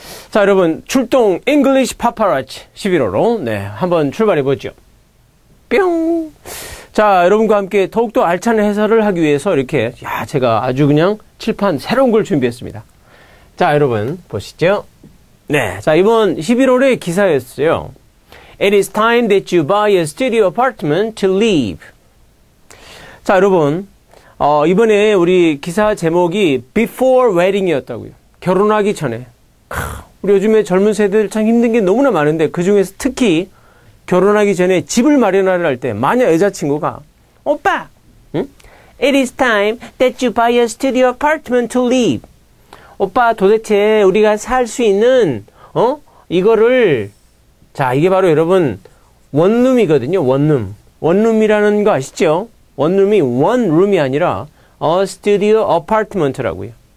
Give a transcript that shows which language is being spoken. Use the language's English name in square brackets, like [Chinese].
[Korean] 자, 여러분 출동 English Paparazzi 11월호. 네, 한번 출발해보죠. 뿅! 자, 여러분과 함께 더욱더 알찬 해설을 하기 위해서 이렇게 제가 아주 그냥 칠판 새로운 걸 준비했습니다. 자, 여러분 보시죠. 네, 자, 이번 11월의 기사였어요. [English] It is time that you buy a studio apartment to leave. [Korean] 자, 여러분, 이번에 우리 기사 제목이 [English] before wedding [Korean] 이었다고요. 결혼하기 전에. 우리 요즘에 젊은 세대들 참 힘든 게 너무나 많은데 그 중에서 특히 결혼하기 전에 집을 마련하려 할 때 만약 여자친구가 오빠, 응? [English] It is time that you buy a studio apartment to leave. [Korean] 오빠, 도대체 우리가 살 수 있는 이거를 자, 이게 바로 여러분 원룸이거든요. 원룸. 원룸이라는 거 아시죠? 원룸이 원룸이 아니라 [English] a studio apartment [Korean] 라고요.